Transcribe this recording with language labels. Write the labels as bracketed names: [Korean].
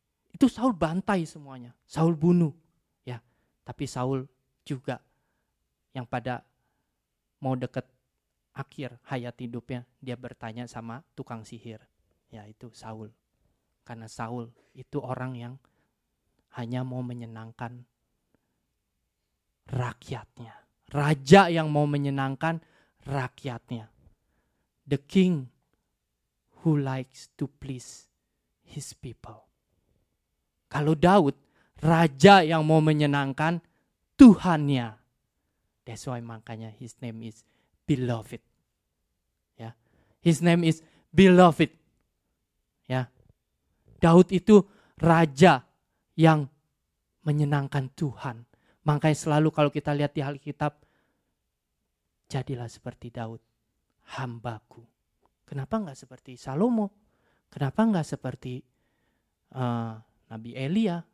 [Indonesian] Itu Saul bantai semuanya. Saul bunuh, ya. Tapi Saul juga yang pada mau deket akhir hayat hidupnya, dia bertanya sama tukang sihir, yaitu Saul. Karena Saul itu orang yang hanya mau menyenangkan rakyatnya. Raja yang mau menyenangkan rakyatnya. [English] The king who likes to please his people. [Indonesian] Kalau Daud, raja yang mau menyenangkan Tuhannya. [English] That's why [Indonesian] makanya his name is Beloved. [English] Yeah. His name is Beloved. Yeah. [Indonesian] Daud itu raja yang menyenangkan Tuhan. Makanya selalu kalau kita lihat di Alkitab, jadilah seperti Daud, hambaku. Kenapa enggak seperti Salomo? Kenapa enggak seperti Nabi Elia?